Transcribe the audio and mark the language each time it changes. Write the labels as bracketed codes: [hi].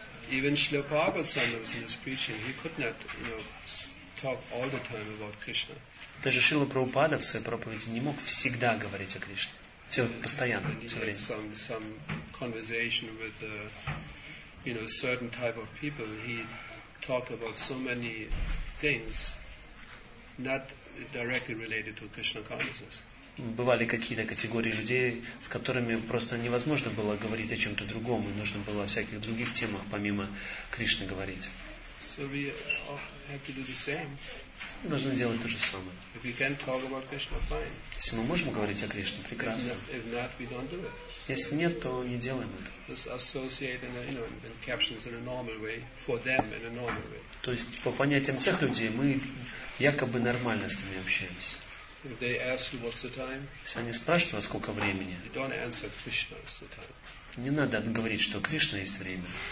[en] Even Srila Prabhupada sometimes in his preaching, he could not, you know, talk all the time about Krishna. [ru] Даже Шрила Прабхупада в своей проповеди не мог всегда говорить о Кришне. Все постоянно, все время. [en] Some conversation with a, you know, certain type of people, he talked about so many things, not directly related to Krishna consciousness. [ru] Бывали какие-то категории людей, с которыми просто невозможно было говорить о чем-то другом, и нужно было о всяких других темах, помимо Кришны, говорить. [en] So we have to do the same. [ru] Мы должны делать то же самое. [en] If we can talk about Krishna, fine. [ru] Если мы можем говорить о Кришне, прекрасно. [en] If not, we don't do it. [ru] Если нет, то не делаем это. [en] Just associate in a, you know, in captions in a normal way, for them in a normal way. [ru] То есть по понятиям тех людей мы якобы нормально с ними общаемся. [en] If they ask you what's the time, [ru] если они спрашивают вас, сколько времени, [en] you don't answer Krishna is the time. [ru] Не надо говорить, что Кришна есть время.